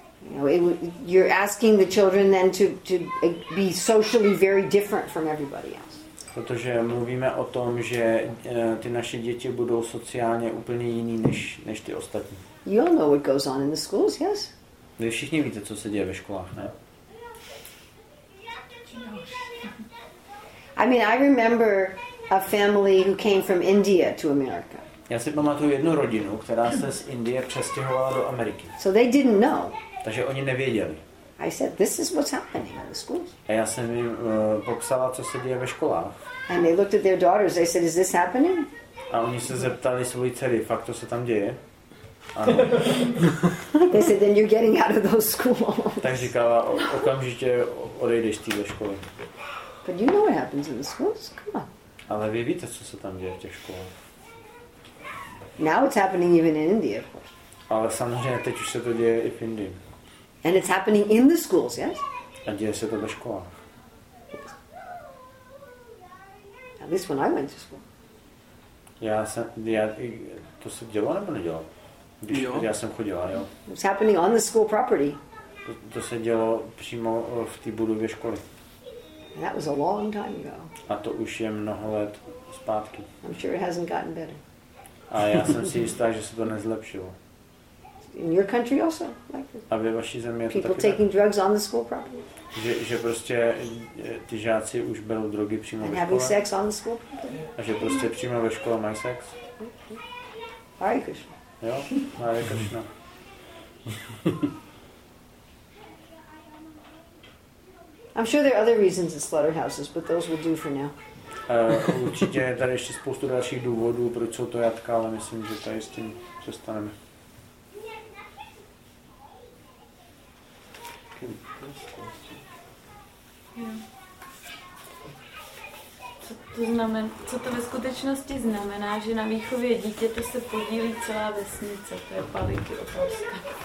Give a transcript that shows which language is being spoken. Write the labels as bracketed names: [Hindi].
[English] You know, you're asking the children then to be socially very different from everybody else. [Czech] Protože mluvíme o tom, že ty naše děti budou sociálně úplně jiný než ty ostatní. [English] You all know what goes on in the schools, yes? [Czech] Vy všichni víte, co se děje ve školách, ne? [English] I mean, I remember a family who came from India to America. [Czech] Já si pamatuju jednu rodinu, která se z Indie přestěhovala do Ameriky. [English] So they didn't know. [Czech] Takže oni nevěděli. [English] I said, this is what's happening in the schools. [Czech] A já jsem jim popsala, co se děje ve školách. [English] And they looked at their daughters. They said, is this happening? [Czech] A oni se zeptali svojí dcery, fakt to se tam děje? Ano. [English] They said, then you're getting out of those schools. [Czech] Tak říkala, okamžitě odejdeš tý ze školy. [English] But you know what happens in the schools? Come on. [Czech] Ale vy víte, co se tam děje v těch školách. [English] Now it's happening even in India, of course. [Czech] Ale samozřejmě teď už se to děje i v Indii. [English] And it's happening in the schools, yes? [Czech] A děje se to ve školách. [English] At least when I went to school. [Czech] Já to se dělo nebo nedělo? Když já jsem chodila, jo. [English] It's happening on the school property. [Czech] To se dělo přímo v té budově školy. [English] And that was a long time ago. [Czech] A to už je mnoho let zpátky. [English] I'm sure it hasn't gotten better. [Czech] A já jsem si jistá, že se to nezlepšilo. [English] In your country also, like [Czech] a ve vaší zemi je to [English] taky. People taking drugs on the school property. [Czech] Že prostě ty žáci už berou drogy přímo ve škole. [English] And having sex on the school property. [Czech] A že prostě přímo ve škole mají sex. [English] Hare Krishna. [Czech] Jo, Hare Krishna. [English] I'm sure there are other reasons in slaughterhouses, but those will do for now. [Czech] Určitě je tady ještě spoustu dalších důvodů, proč jsou to jatka, ale myslím, že tady s tím přestaneme. To znamená, co to ve skutečnosti znamená, že na výchově dítěte se podílí celá vesnice, to je Paliky Opolska.